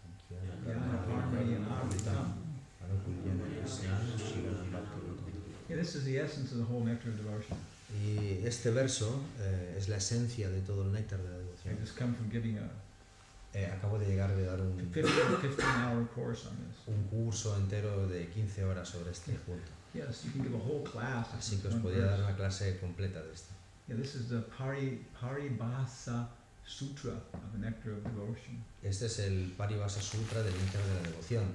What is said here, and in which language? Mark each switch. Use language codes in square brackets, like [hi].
[en] Yeah, this is the essence of the whole nectar of devotion. [es] Y este verso es la esencia de todo el néctar de la devoción. [en] I just come from giving a. [es] Acabo de llegar de dar un curso entero de 15 horas sobre este punto. [en] Yes, you can give a whole class. [es] Así que os podía dar una clase completa de esto. [en] Yeah, this is the Paribhasa Sutra of the Nectar of Devotion. [es] Este es el Paribhasa Sutra del Néctar de la Devoción.